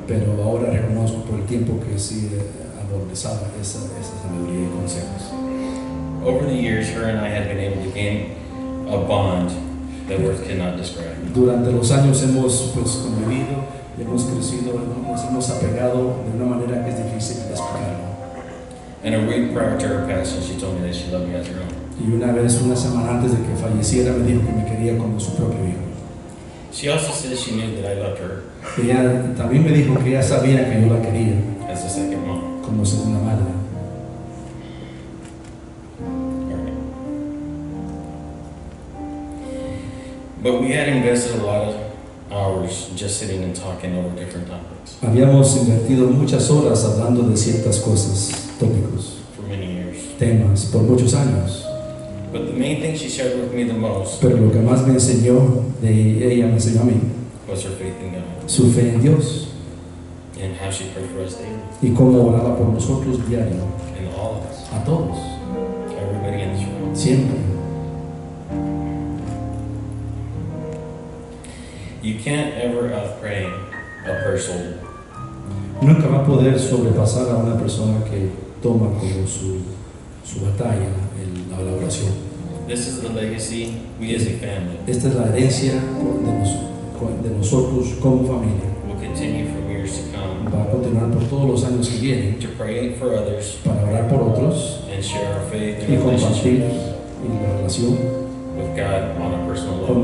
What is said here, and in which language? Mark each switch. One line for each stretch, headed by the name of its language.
Spanish: Pero ahora reconozco por el tiempo que sí adornizaba esa sabiduría y consejos.
English: Over the years, her and I had been able to gain a bond that words cannot describe.
Spanish: Durante los años hemos pues convivido, hemos crecido, nos hemos apegado de una manera que es difícil de explicar.
English: And a week prior to her passing, she told me that she loved me as her own.
Spanish: Y una vez, una semana antes de que falleciera, me dijo que me quería como su propio hijo.
English: She also said she knew that I loved her.
Spanish: Ella también me dijo que ella sabía que yo la quería.
English: As a second mom.
Spanish: Como segunda madre.
English: All right. But we had invested a lot of hours just sitting and talking over different topics.
Spanish: Habíamos invertido muchas horas hablando de ciertas cosas, tópicos.
English: For many years.
Spanish: Temas, por muchos años.
English: But the main thing she shared with me the most.
Spanish: Pero lo que más me enseñó de ella me enseñó a mí.
English: Was her faith in God.
Spanish: Su fe en Dios.
English: And how she prayed for us daily.
Spanish: Y cómo oraba por nosotros diario.
English: And all of us.
Spanish: A todos.
English: Everybody in this room.
Spanish: Siempre.
English: You can't ever outpray a person.
Spanish: Nunca va a poder sobrepasar a una persona que toma como su batalla la oración.
English: This is the legacy we as a family.
Spanish: Esta es la herencia de nosotros como familia.
English: We'll continue for years to come.
Spanish: Va a continuar por todos los años que vienen.
English: To pray for others.
Spanish: Para orar por otros.
English: And share our faith.
Spanish: Y compartir en la relación.
English: With God on a personal level.